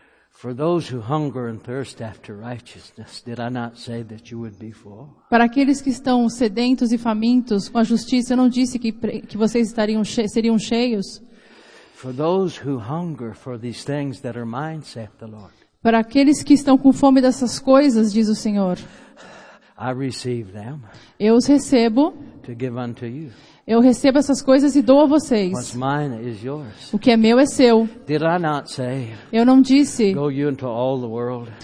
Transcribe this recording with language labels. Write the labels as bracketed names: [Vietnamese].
[English] For those who hunger and thirst after righteousness, did I not say that you would be full? [Portuguese] Para aqueles que estão sedentos e famintos com a justiça, eu não disse que vocês estariam seriam cheios? [English] For those who hunger for these things that are mine, saith the Lord. [Portuguese] Para aqueles que estão com fome dessas coisas, diz o Senhor. [English] I receive them. [Portuguese] Eu os recebo. [English] To give unto you. [Portuguese] Eu recebo essas coisas e dou a vocês. [English] What's mine is yours. [Portuguese] O que é meu é seu. [English] Did I not say, [Portuguese] eu não disse. [English] Go you into all the world,